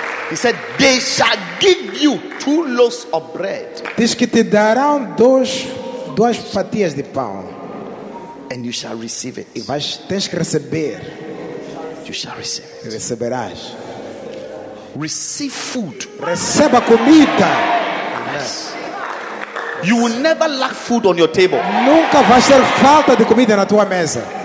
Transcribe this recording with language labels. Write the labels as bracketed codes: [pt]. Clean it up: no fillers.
[en] He said, "They shall give you 2 loaves of bread." [pt] Diz que te darão duas fatias de pão. [en] And you shall receive it. [pt] E vais tens que receber. [en] You shall receive. [pt] Receberás. [en] Receive food. [pt] Receba comida. [en] Yes. You will never lack food on your table. [pt] Nunca vai ter falta de comida na tua mesa.